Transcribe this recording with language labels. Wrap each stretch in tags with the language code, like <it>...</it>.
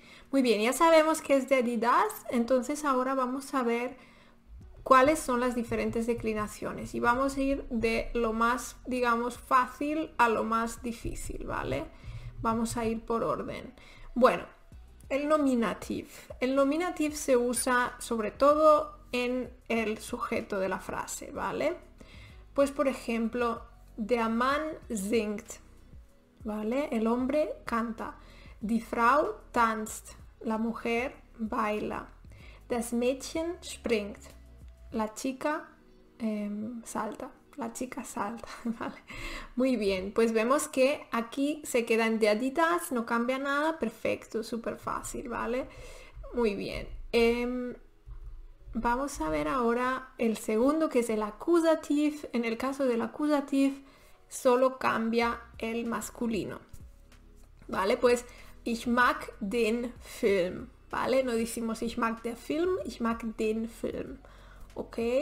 <es>Muy bien, ya sabemos qué es de Adidas, entonces ahora vamos a ver cuáles son las diferentes declinaciones y vamos a ir de lo más, digamos, fácil a lo más difícil, ¿vale? Vamos a ir por orden. Bueno, El nominativo. El nominativo se usa sobre todo en el sujeto de la frase, ¿vale? Pues por ejemplo,</es> <de>der Mann singt,</de> <es>¿vale? El hombre canta.</es> <de>Die Frau tanzt,</de> <es>la mujer baila.</es> <de>Das Mädchen springt,</de> <es>la chica salta. La chica salta, ¿vale? Muy bien, pues vemos que aquí se queda en deaditas, no cambia nada, perfecto, súper fácil, ¿vale? Muy bien. Vamos a ver ahora el segundo, que es el acusativo. En el caso del acusativo, solo cambia el masculino, ¿vale?</es> <de>Pues, ich mag den Film, ¿vale?</de> <es>No decimos</es> <de>ich mag der Film, ich mag den Film, ¿ok?</de>